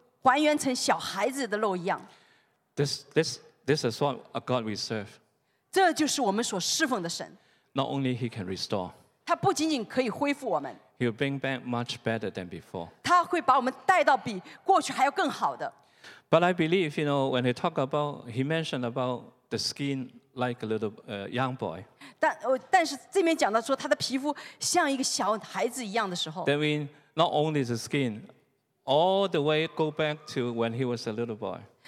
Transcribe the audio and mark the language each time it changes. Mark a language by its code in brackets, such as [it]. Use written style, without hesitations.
[zh] 还原成小孩子的肉一样。 [en] This is what a God we serve. [zh] 这就是我们所侍奉的神。 [en] Not only he can restore. [zh] 他不仅仅可以恢复我们。 [en] He will bring back much better than before. [zh] 他会把我们带到比过去还要更好的。 [en] But I believe, you know, when he talked about, he mentioned about the skin like a little young boy. [zh] 但是这边讲到说他的皮肤像一个小孩子一样的时候。 [en] That means not only the skin, all the way go back to when he was a little boy.